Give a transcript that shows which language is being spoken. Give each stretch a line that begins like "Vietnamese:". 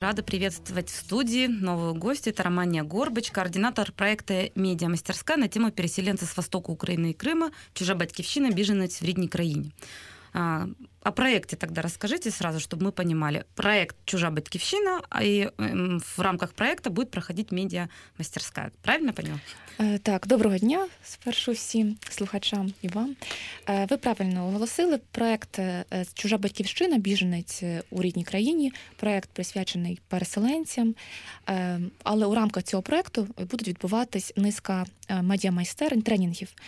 Russian: рада приветствовать в студии нового гостя. Это Романия Горбач, координатор проекта «Медиамастерская» на тему «Переселенцы с востока Украины и Крыма.
Ukrainian: Чужа батьківщина, біженець в рідній країні».
Russian: О проекте тогда расскажите сразу, чтобы мы понимали. Проект «Чужа батьківщина», и в рамках проекта будет проходить медиамастерская. Правильно поняла?
Ukrainian: Так, доброго дня спершу всім слухачам і вам. Ви правильно оголосили, проект «Чужа батьківщина, біженець у рідній країні», проект присвячений переселенцям. Але у рамках цього проекту будуть відбуватись низка медіамайстерень, тренінгів.